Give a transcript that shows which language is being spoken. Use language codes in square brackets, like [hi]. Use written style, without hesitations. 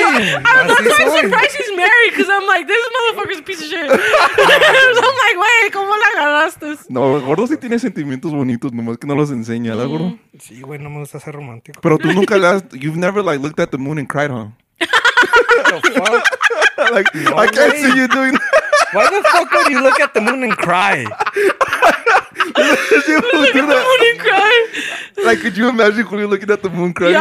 [en] I'm not surprised he's married, because I'm like, this motherfucker's a piece of shit. So I'm like, [es] güey, ¿cómo la agarraste? No, gordo sí tiene sentimientos bonitos, nomás que no los enseña, ¿verdad, gordo? Sí, güey, no me gusta ser romántico. Pero tú nunca le has... [en] You've never, like, looked at the moon and cried, huh? Like, no, I can't see you doing that. Why the fuck would you look at the moon and cry? Look at the moon and cry. Like, could you imagine Julio looking at the moon crying?